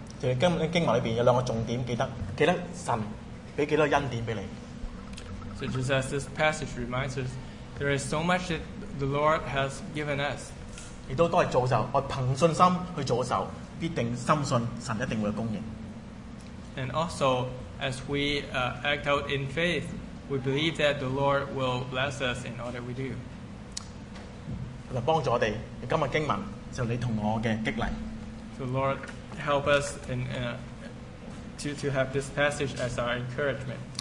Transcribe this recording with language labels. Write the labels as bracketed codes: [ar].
[yue] 就係今經文裏邊有兩個重點，記得神俾幾多恩典俾你。 [en] So just as this passage reminds us, there is so much that the Lord has given us. [yue] 亦都係做就，我憑信心去做嘅時候，必定深信神一定會有供應。 [en] And also, as we act out in faith, we believe that the Lord will bless us in all that we do. [yue] 来帮助我哋，今日经文就你同我嘅激励。 [en] So Lord, help us in to have this passage as our encouragement.